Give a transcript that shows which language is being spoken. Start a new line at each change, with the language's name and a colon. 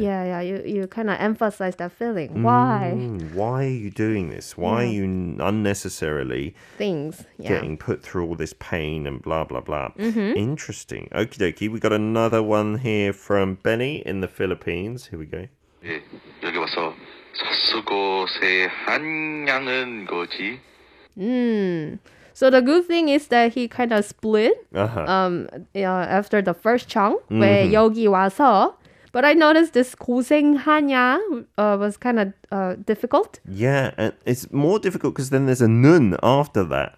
English: Yeah, yeah. You kind of emphasize that feeling. Why? Why are you doing this? Why are you unnecessarily getting put through all this pain and blah, blah, blah? Interesting. Okie dokie. We got another one here from Benny in the Philippines. Here we go.
Korean: 여기 와서 사서 고생하냐는 거지.
English: So the good thing is that he kind of split after the first chunk.
Korean: 왜 여기 와서?
English: But I noticed this 고생하냐 was kind of difficult. Yeah, and it's more difficult because then there's a 는 after that.